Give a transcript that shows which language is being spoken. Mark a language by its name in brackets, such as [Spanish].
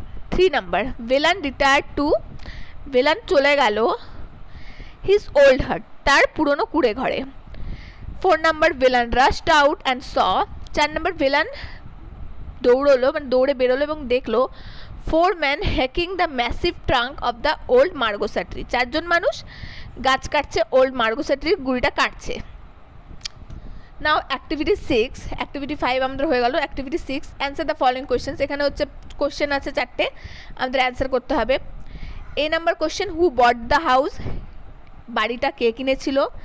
[English] three number, Velan retired to, Velan [Bangla] চলে গেল [English] his old hut, [Bangla] তার পুরনো কুড়ে ঘরে। [English] four number, Velan rushed out and saw, [Bangla] চার নাম্বার ভেলান দৌড়লো মানে দৌড়ে বেরোলো এবং দেখলো [English] four men hacking the massive trunk of the old margosa tree. [Bangla] চারজন মানুষ গাছ কাটছে, ওল্ড মার্গোসা ট্রির গুড়িটা কাটছে. [English] now activity six, activity five [Bangla] আমাদের হয়ে গেল. [English] Activity six, answer the following question. [Bangla] এখানে হচ্ছে কোয়েশ্চেন আছে চারটে, আমাদের অ্যান্সার করতে হবে. [English] A number question, who bought the house, [Bangla] বাড়িটা কে কিনেছিল.